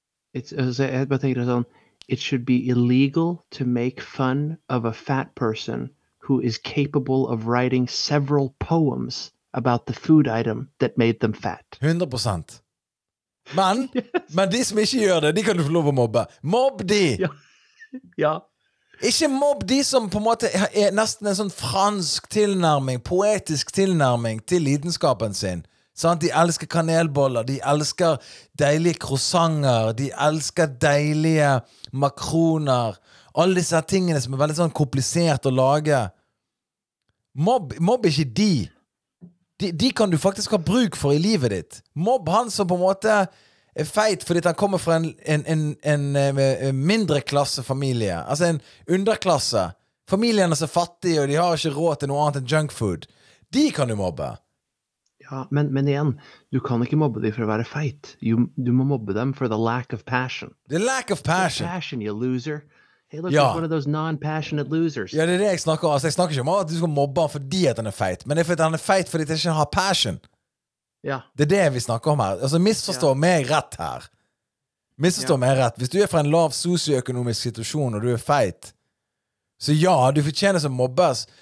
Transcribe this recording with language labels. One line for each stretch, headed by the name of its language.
Norwegian: Jeg bare tenker sånn,
English: it should be illegal to make fun of a fat person who is capable of writing several poems about the food item that made them fat.
Norwegian: 100%. Men, yes. Men de som ikke gjør det, de kan du få lov å mobbe. Mobb de! Ja. Ikke mobb de som på en måte er nesten en sånn fransk tilnærming, poetisk tilnærming til lidenskapen sin. Sant? De elsker kanelboller, de elsker deilige croissanter, de elsker deilige makroner, alle disse tingene som er veldig sånn komplisert å lage. Mobb ikke de. De kan du faktisk ha bruk for i livet ditt. Mobb han som på en måte er feit fordi han kommer fra en mindre klasse familie. Altså en underklasse. Familien er fattig og de har ikke råd til noe annet enn junk food. De kan du mobbe. Ja, men igjen, du kan ikke mobbe dem for å være feit. Du må mobbe dem for
English: the lack of passion. The lack of passion. The passion, you loser. Hey, look, he's one of those non-passionate losers.
Norwegian: Ja, det er det jeg snakker om. Altså, jeg snakker ikke om at du skal mobbe ham fordi at han er feit, men det er fordi han er feit fordi han ikke har passion. Ja. Det er det vi snakker om her. Altså, misforstå meg rett her. Misforstå meg rett. Hvis du er fra en lav sosioøkonomisk situasjon og du er feit, så ja, du fortjener som mobbes.